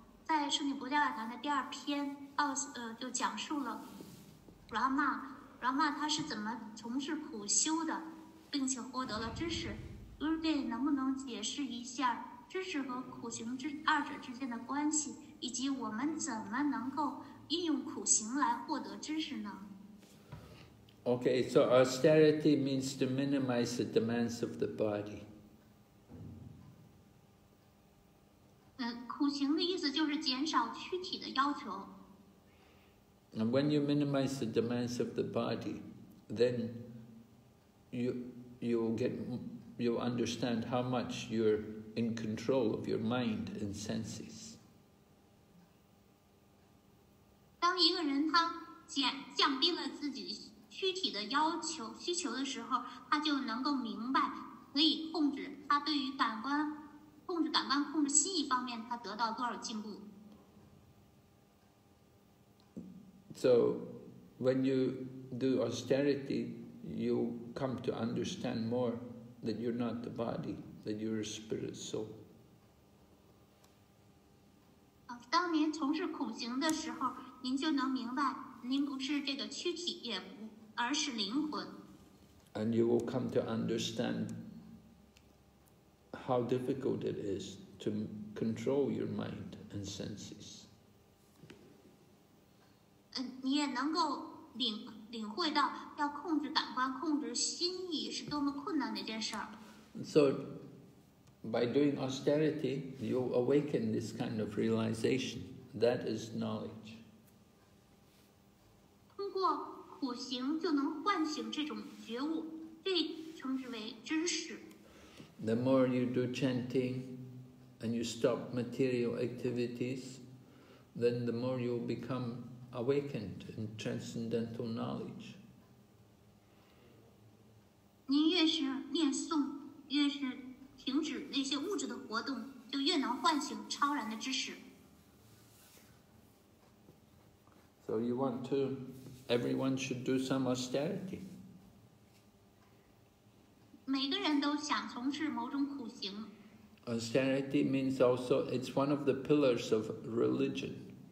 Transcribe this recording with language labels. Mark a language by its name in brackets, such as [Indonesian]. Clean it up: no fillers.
[Chinese] 在圣女不教法堂的第二篇就讲述了 Rama 他是怎么从事苦修的，并且获得了知识。 Gurudev 能不能解释一下知识和苦行之二者之间的关系，以及我们怎么能够运用苦行来获得知识呢？ [English] Okay, so austerity means to minimize the demands of the body. [Chinese] 苦行的意思就是减少躯体的要求。 [English] And when you minimize the demands of the body, then you'll understand how much you're in control of your mind and senses. [Chinese] 当一个人他降低了自己躯体的要求需求的时候，他就能够明白，可以控制他对于感官，控制感官，控制心意方面，他得到多少进步。 [English] So, when you do austerity, you come to understand more that you're not the body, that you're a spirit soul. [Chinese] 当您从事苦行的时候，您就能明白，您不是这个躯体，也不。而是灵魂。 [English] And you will come to understand how difficult it is to control your mind and senses. [Chinese] 你也能够领会到要控制感官、控制心意是多么困难的一件事。 [English] So, by doing austerity, you awaken this kind of realization. That is knowledge. [Chinese] 通过苦行就能唤醒这种觉悟，被称之为知识。 [English] The more you do chanting and you stop material activities, then the more you'll become awakened in transcendental knowledge. [Chinese] 你越是念诵，越是停止那些物质的活动，就越能唤醒超然的知识。 [English] So you want to... Everyone should do some austerity. [Chinese] 每个人都想从事某种苦行。 [English] Austerity means also it's one of the pillars of religion.